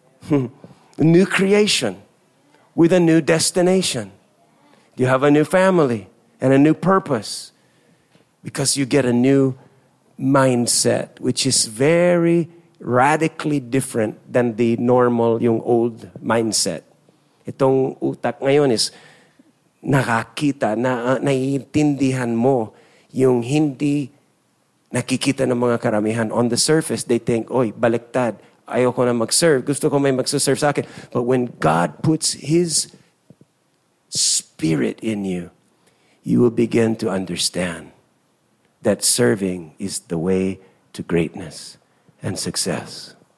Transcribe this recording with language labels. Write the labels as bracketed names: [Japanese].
[English] A new creation with a new destination. You have a new family and a new purpose because you get a new mindset, which is very radically different than the normal, yung old mindset. [Filipino] Itong utak ngayon is nakakita, naiintindihan mo yung hindi nakikita ng mga karamihan. [English] On the surface, they think, [Filipino] oy, baliktad. Ayoko na mag-serve. Gusto ko may mag-serve sa akin. [English] But when God puts His Spirit in you, you will begin to understand that serving is the way to greatness and success.